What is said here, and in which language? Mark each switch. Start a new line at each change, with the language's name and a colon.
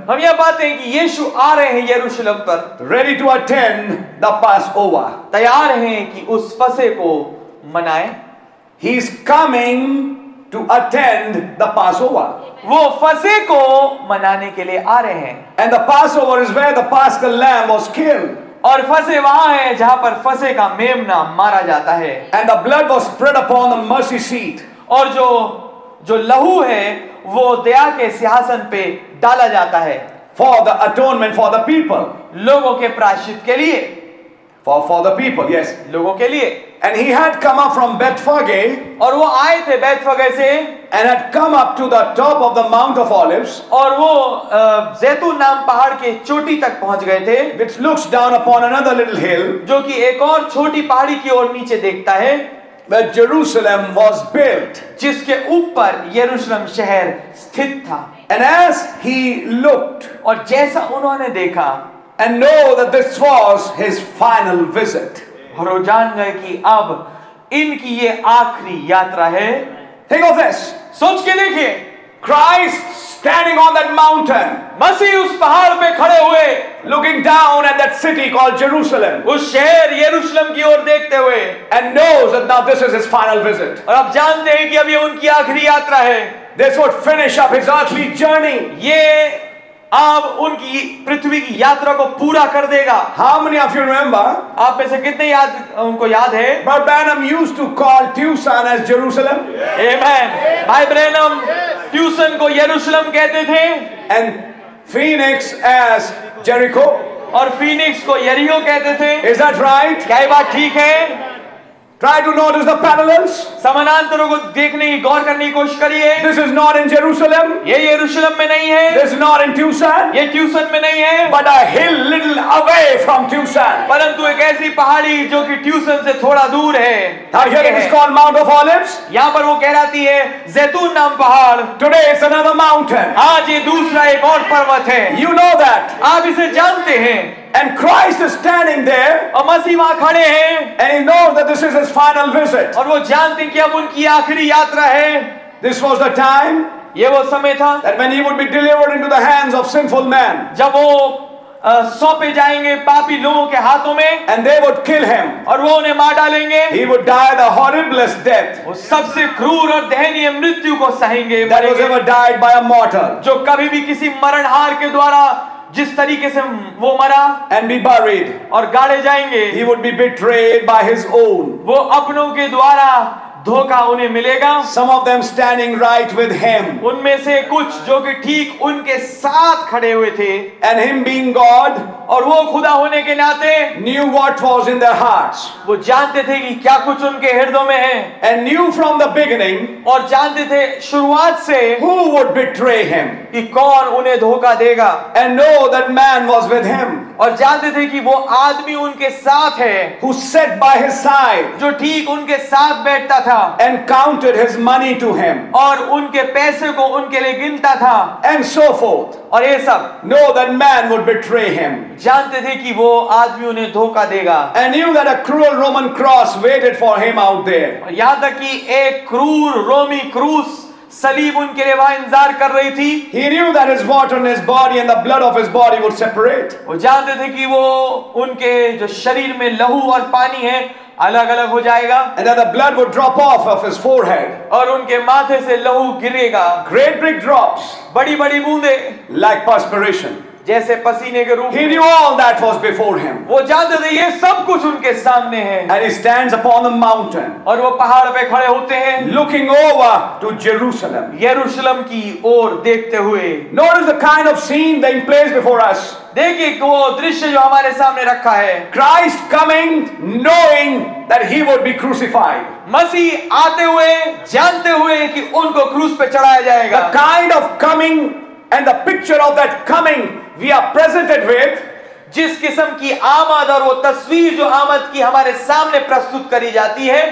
Hindi: हम यह पाते हैं कि यीशु आ रहे हैं यरूशलेम पर.
English: Ready to attend the Passover.
Hindi: तैयार हैं कि उस फसे को मनाएं.
English: He's coming to attend the Passover.
Hindi: वो फसे को मनाने के लिए आ रहे हैं.
English: And the Passover is where the Paschal lamb was killed.
Hindi: और फसे वहाँ है जहाँ पर फसे का मेमना मारा जाता है.
English: And the blood was spread upon the mercy seat.
Hindi: और जो लहू है वो दया के सिंहासन पे डाला जाता है.
English: For the atonement for the people.
Hindi: लोगों के प्रायश्चित के लिए.
English: For the people, yes.
Hindi: लोगों के लिए.
English: And he had come up from Bethphage.
Hindi: और वो आए थे बेथफगे से.
English: And had come up to the top of the Mount of Olives.
Hindi: और वो जैतून नाम पहाड़ के चोटी तक पहुंच गए थे.
English: Which looks down upon another little hill.
Hindi: जो कि एक और छोटी पहाड़ी की ओर नीचे देखता है.
English: Where Jerusalem was built.
Hindi: जिसके ऊपर यरूशलेम शहर स्थित था.
English: And as he looked.
Hindi: और जैसा उन्होंने देखा.
English: And know that this was his final visit.
Hindi: और वो जान गए कि अब इनकी ये आखिरी यात्रा है.
English: Think of this.
Hindi: सोच के देखिए.
English: Christ standing on that mountain.
Hindi: मसीह उस पहाड़ पे खड़े हुए.
English: Looking down at that city called Jerusalem.
Hindi: उस शहर यरूशलेम की ओर देखते हुए.
English: And knows that now this is his final visit.
Hindi: और अब जानते हैं कि अब ये उनकी आखिरी यात्रा है.
English: This would finish up his earthly journey.
Hindi: ये आप उनकी पृथ्वी की यात्रा को पूरा कर देगा.
English: How many of you remember?
Hindi: आप में से कितने याद उनको याद है?
English: Brother Branham used to call Tucson as Jerusalem. Amen.
Hindi: भाई ब्रैनम ट्यूसन को यरूशलेम कहते थे.
English: And Phoenix as Jericho.
Hindi: और फीनिक्स को यरीहो कहते थे.
English: Is that right?
Hindi: क्या ये बात ठीक है?
English: Try to notice the parallels.
Hindi: समानांतरों को देखने की गौर करने की कोशिश करिए.
English: This is not in Jerusalem.
Hindi: ये यरूशलेम में नहीं है.
English: This is not in Tucson.
Hindi: ये ट्यूसन में नहीं है.
English: But a hill little away from Tucson.
Hindi: परंतु एक ऐसी पहाड़ी जो कि ट्यूसन से थोड़ा दूर है.
English: Now here it is called Mount of Olives.
Hindi: यहाँ पर वो कहलाती है जैतून नाम पहाड़.
English: Today it's another mountain.
Hindi: आज ये दूसरा एक और पर्वत है.
English: You know that.
Hindi: आप इसे जानते हैं.
English: And Christ is standing there.
Hindi: और मसीह वहाँ खड़े हैं.
English: And he knows that this is his final visit.
Hindi: और वो जानते हैं कि अब उनकी आखिरी यात्रा है.
English: This was the time.
Hindi: ये वो समय था.
English: That when he would be delivered into the hands of sinful men.
Hindi: जब वो सौंपे जाएंगे पापी लोगों के हाथों में.
English: And they would kill him.
Hindi: और वो उन्हें मार डालेंगे.
English: He would die the horriblest death.
Hindi: वो सबसे क्रूर और दयनीय मृत्यु को सहेंगे.
English: That was ever died by a mortal.
Hindi: जो कभी भी किसी मरणहार के द्वारा जिस तरीके से वो मरा.
English: And be buried.
Hindi: और गाड़े जाएंगे.
English: He would be betrayed by his own.
Hindi: वो अपनों के द्वारा धोखा उन्हें मिलेगा.
English: Some of them standing right with him.
Hindi: उनमें से कुछ जो कि ठीक उनके साथ खड़े हुए थे.
English: And him being God.
Hindi: और वो खुदा होने के नाते.
English: Knew what was in their hearts.
Hindi: वो जानते थे कि क्या कुछ उनके हृदयों में है.
English: And knew from the beginning.
Hindi: और जानते थे शुरुआत से.
English: Who would betray him.
Hindi: कि कौन उन्हें धोखा देगा.
English: And know that man was with him.
Hindi: और जानते थे कि वो आदमी उनके साथ है.
English: Who sat by his side.
Hindi: जो ठीक उनके साथ बैठता था.
English: And counted his money to him.
Hindi: और उनके पैसे को उनके लिए गिनता था.
English: And so forth.
Hindi: और ये सब.
English: Know that man would betray him.
Hindi: जानते थे कि वो आदमी उन्हें धोखा देगा.
English: And knew that a cruel Roman cross waited for him out there.
Hindi: याद था कि एक क्रूर रोमी क्रूस सलीब उनके लिए वहां इंतजार कर रही थी.
English: He knew that his water and his body and the blood of his body would separate.
Hindi: वो जानते थे कि वो उनके जो शरीर में लहू और पानी है अलग अलग हो जाएगा.
English: And that the blood would drop off of his forehead.
Hindi: और उनके माथे से लहू गिरेगा.
English: Great big drops.
Hindi: बड़ी बड़ी बूंदे.
English: Like perspiration.
Hindi: जैसे पसीने के रूप.
English: He knew all that was before him.
Hindi: वो जानते थे ये सब कुछ उनके सामने है.
English: And he stands upon the mountain.
Hindi: और वो पहाड़ पे खड़े होते हैं.
English: Looking over to Jerusalem.
Hindi: यरूशलम की ओर देखते हुए.
English: Notice the kind of scene that plays before us.
Hindi: देखिए वो दृश्य जो हमारे सामने रखा है.
English: Christ coming, knowing that he would be crucified.
Hindi: मसीह आते हुए जानते हुए कि उनको क्रूस पे चढ़ाया जाएगा.
English: The kind of coming and the picture of that coming we are presented with.
Hindi: जिस किस्म की आमद और वो तस्वीर जो आमद की हमारे सामने प्रस्तुत करी जाती है.